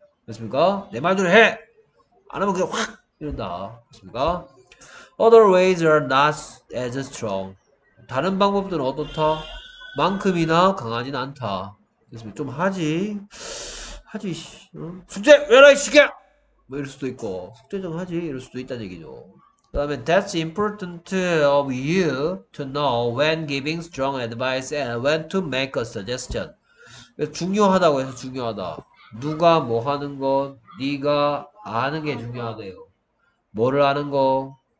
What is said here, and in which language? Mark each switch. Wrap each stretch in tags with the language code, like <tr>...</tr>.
<ko>됐습니까? 내 말대로 해! 안 하면 그냥 확 이런다. 됐습니까?</ko> <en>Other ways are not as strong.</en> <ko>다른 방법들은 어떻다? 만큼이나 강하진 않다. 됐습니까? 좀 하지. 하지. 응? 숙제 외라 이 시계! 뭐 이럴 수도 있고 숙제 좀 하지 이럴 수도 있다는 얘기죠. 그 다음에</ko> <en>That's important of you to know when giving strong advice and when to make a suggestion.</en> <ko>중요하다고 해서 중요하다. 누가 뭐 하는 거, 네가 아는 게 중요하대요. 뭐를 아는 거?</ko>